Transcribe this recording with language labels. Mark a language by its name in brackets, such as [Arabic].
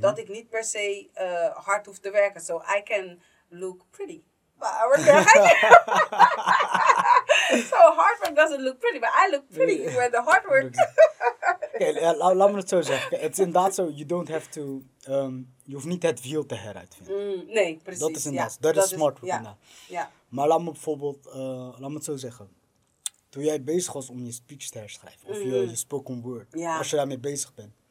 [Dutch] dat ik niet per se hard hoef te werken. [English] So I can look pretty. So hard work doesn't look pretty, but I look pretty when the hard work. [Dutch] Laat me het zo zeggen. Het is inderdaad zo, [English] you don't have to, [Dutch] je hoeft niet het wiel te heruitvinden. Nee, precies. Dat is inderdaad, dat is smart work inderdaad. [English] Yeah. [Dutch] Maar laat me bijvoorbeeld, laat me het zo zeggen. Toen jij bezig was om je speech te herschrijven, of je spoken word, als je daarmee bezig bent.